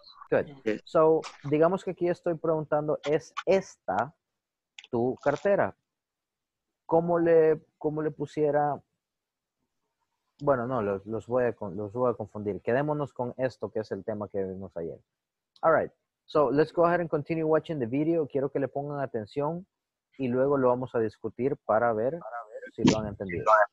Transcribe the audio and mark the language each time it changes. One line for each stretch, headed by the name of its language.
English: Good.
Spanish: So, digamos que aquí estoy preguntando, ¿es esta tu cartera? ¿Cómo le pusiera? Bueno, no, los voy a confundir. Quedémonos con esto, que es el tema que vimos ayer.
English: All right. So, let's go ahead and continue watching the video.
Spanish: Quiero que le pongan atención y luego lo vamos a discutir para ver si lo han entendido.